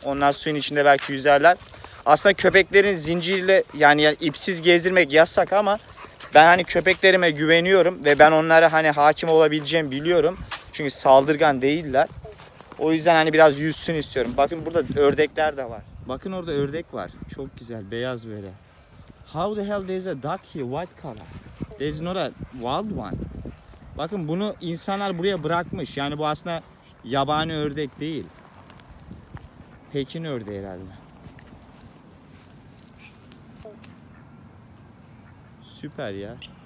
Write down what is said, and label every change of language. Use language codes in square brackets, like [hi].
[tr] Onlar suyun içinde belki yüzerler. Aslında köpeklerin zincirle yani ipsiz gezdirmek yasak ama ben hani köpeklerime güveniyorum ve ben onlara hani hakim olabileceğimi biliyorum. Çünkü saldırgan değiller. O yüzden hani biraz yüzsün istiyorum. Bakın burada ördekler de var. Bakın orada ördek var. Çok güzel beyaz böyle. [en] How the hell there's a duck here white color? There's not a wild one. [tr] Bakın bunu insanlar buraya bırakmış. Yani bu aslında yabani ördek değil. Pekin ördeği herhalde. Süper ya.